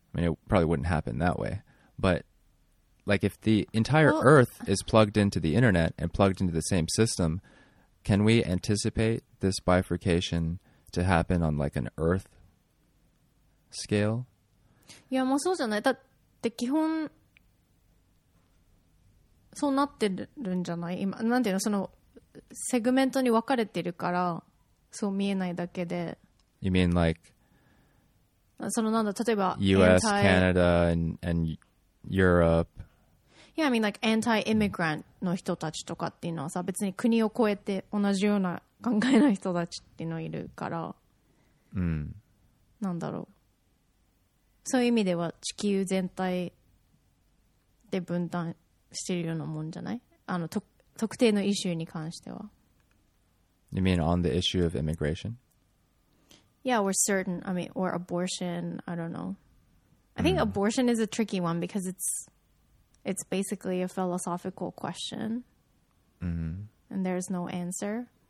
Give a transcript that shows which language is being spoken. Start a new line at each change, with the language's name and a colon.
English: I mean, it probably wouldn't happen that way. But like if the entire Earth is plugged into the internet and plugged into the same system, can we anticipate this bifurcation to happen on like an Earth scale?
Japanese: Yeah, もうそうじゃない。だって基本そうなってるんじゃない？今、なんていうの？その、セグメントに分かれてるから、そう見えないだけで。
English: You mean like,
Japanese: そのなんだ、例えば、
English: US, Canada, and Europe. Yeah, I mean like,
Japanese: anti-immigrant の人たちとかっていうのはさ、別に国を越えて同じような考えの人たちっていうのいるから、なんだろう。そういう意味では、地球全体で分断。してるようなもんじゃない？特定のイシューに関しては。
English: You mean on the issue of immigration? Yeah, or certain, I mean, or abortion, I don't know. I think abortion is a tricky one because it's basically a philosophical question. And there's no answer.